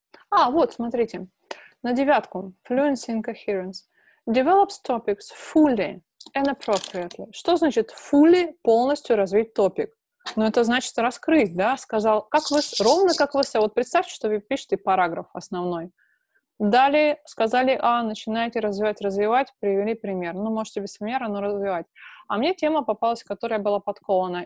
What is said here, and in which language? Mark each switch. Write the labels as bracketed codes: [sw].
[ru] А, вот, смотрите, на 9-ку, fluency and coherence. [en] Develops topics fully and appropriately. [ru] Что значит fully, полностью развить топик? Ну, это значит раскрыть, да, сказал, как вы, ровно как вы, вот представьте, что вы пишете параграф основной. Далее сказали, а, начинаете развивать, привели пример. Ну, можете без примера, но развивать. А мне тема попалась, которая была подкована.